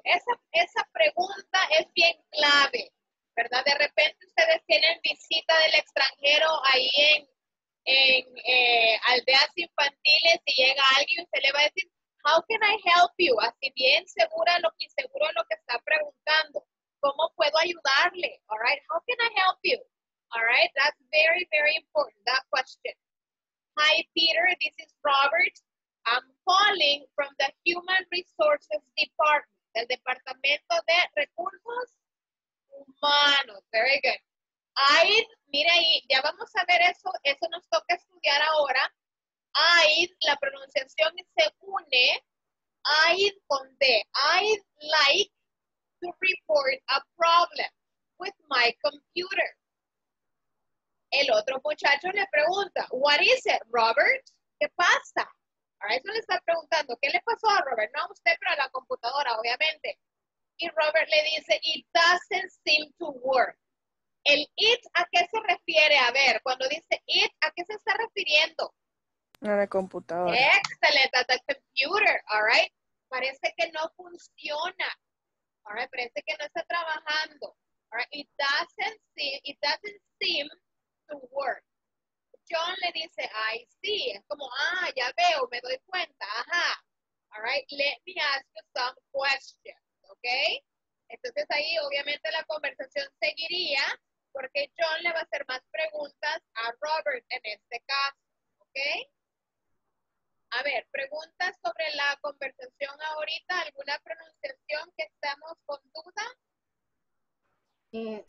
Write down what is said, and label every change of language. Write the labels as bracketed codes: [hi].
[es] Esa pregunta es bien clave, ¿verdad? De repente ustedes tienen visita del extranjero ahí en aldeas infantiles y llega alguien y usted le va a decir, [en] how can I help you? [es] Así bien segura lo que inseguro lo que está preguntando. ¿Cómo puedo ayudarle? [en] All right, how can I help you? All right, that's very, very important, that question. Hi, Peter, this is Robert. I'm calling from the Human Resources Department, [es] el Departamento de Recursos Humanos. [en] Very good. [es] Mira ahí, ya vamos a ver eso, eso nos toca estudiar ahora. I'd, la pronunciación se une, I'd con D. [en] I'd like to report a problem with my computer. [es] El otro muchacho le pregunta, [en] what is it, Robert? [es] ¿Qué pasa? Ahora eso le está preguntando, ¿qué le pasó a Robert? No a usted, pero a la computadora, obviamente. Y Robert le dice, [en] it doesn't seem to work. [es] El it, ¿a qué se refiere? A ver, cuando dice it, ¿a qué se está refiriendo? A la computadora. Excelente, a la computer, [en] all right. [es] Parece que no funciona. All right, parece que no está trabajando. [en] All right, it doesn't seem to work. [es] John le dice, [en] I see. [es] Es como, ah, ya veo, me doy cuenta. Ajá. [en] All right, let me ask you some questions, okay? [es] Entonces ahí obviamente la conversación seguiría porque John le va a hacer más preguntas a Robert en este caso, okay? A ver, preguntas sobre la conversación ahorita, ¿alguna pronunciación que estamos con duda?